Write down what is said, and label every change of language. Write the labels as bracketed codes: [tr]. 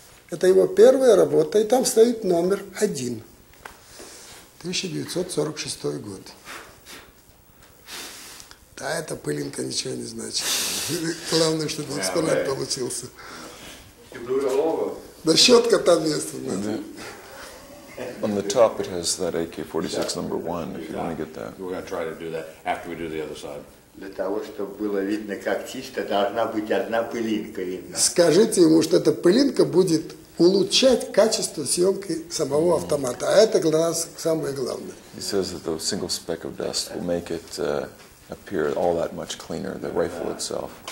[ru] Это его первая работа, и там стоит номер один, 1946 год. Да, эта пылинка ничего не значит. Главное, чтобы экспонат получился. Да щетка там есть. [en] On the top it has that AK-46 number one, if you want to get that. We're going to try to do that after we do the other side. [ru] Для того, чтобы было видно, как чисто, должна быть одна пылинка видна. Скажите ему, что эта пылинка будет улучшать качество съемки самого автомата. А это для нас самое главное. [en] He says that the single speck of dust will make it appear all that much cleaner, the rifle itself.